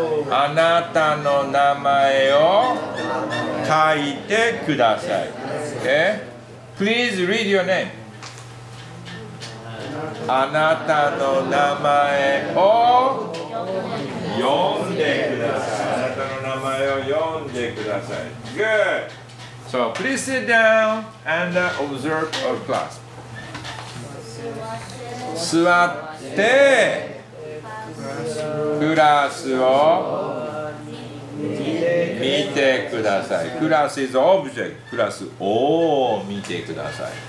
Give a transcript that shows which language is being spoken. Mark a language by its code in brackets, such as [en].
[ja] あなたの名前を書いてください。 [en] Okay? Please read your name. [ja] あなたの名前を読んでください。あなたの名前を読んでください。 [en] Good! So please sit down and observe our class. [ja] 座ってクラスを見てください。 [en] クラス is object. [ja] クラスを見てください。